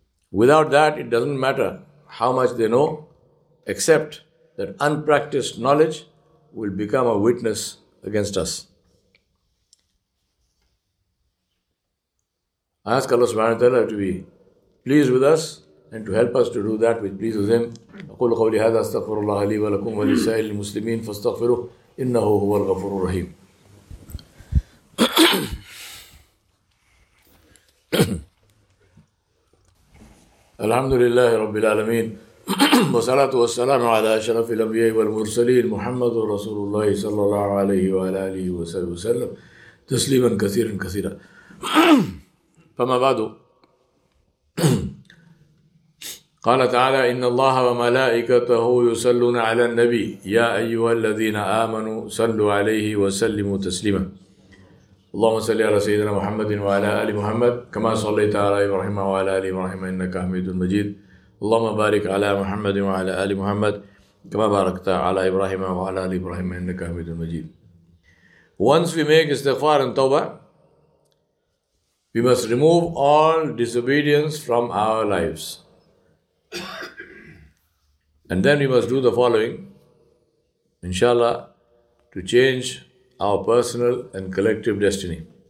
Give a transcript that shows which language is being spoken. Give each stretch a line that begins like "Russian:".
English: Without that, it doesn't matter how much they know, except that unpracticed knowledge will become a witness against us. I ask Allah subhanahu wa ta'ala to be pleased with us and to help us to do that which pleases Him.
Arabic: أقول قولي هذا استغفر الله لي ولكم ولسائر المسلمين فاستغفروه إنه هو الغفور الرحيم. الحمد لله رب العالمين والصلاة والسلام على أشرف الأنبياء والمرسلين محمد رسول الله صلى الله عليه وعلى آله وسلم تسليما كثيرا كثيرا. فما بعد قال تعالى إن الله وملائكته يصلون على النبي يا أيها الذين آمنوا صلوا عليه وسلموا تسليما اللهم صل على سيدنا محمد وعلى آل محمد كما صليت على إبراهيم وعلى آل إبراهيم إنك حميد مجيد اللهم بارك على محمد وعلى آل محمد كما باركت على إبراهيم وعلى آل إبراهيم إنك حميد مجيد.
English: Once we make istighfar and tawbah, we must remove all disobedience from our lives. And then we must do the following, inshallah, to change our personal and collective destiny.